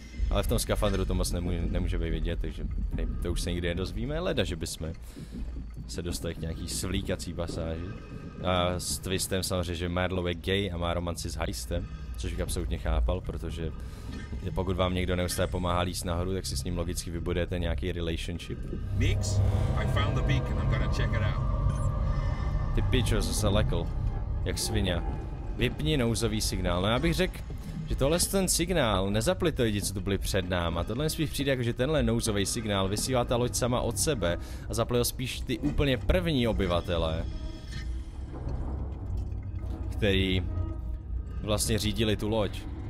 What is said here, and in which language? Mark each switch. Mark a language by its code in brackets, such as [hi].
[cs] Ale v tom skafandru to moc nemůže být vidět, takže hej, to už se nikdy nedozvíme, leda, že bychom se dostali k nějaký svlíkací pasáži. A s twistem samozřejmě, že Marlow je gay a má romanci s heistem, což bych absolutně chápal, protože pokud vám někdo neustále pomáhá líst nahoru, tak si s ním logicky vybudujete nějaký relationship. [en] Meeks, I found the beacon, I'm gonna check it out. [cs] Ty pičo, zase lekl, jak svině. Vypni nouzový signál, no já bych řekl, že tohle ten signál, nezapli to lidi, co tu byli před náma, tohle mi spíš přijde jako, že tenhle nouzový signál vysílá ta loď sama od sebe a zapli ho spíš ty úplně první obyvatelé, který vlastně řídili tu loď.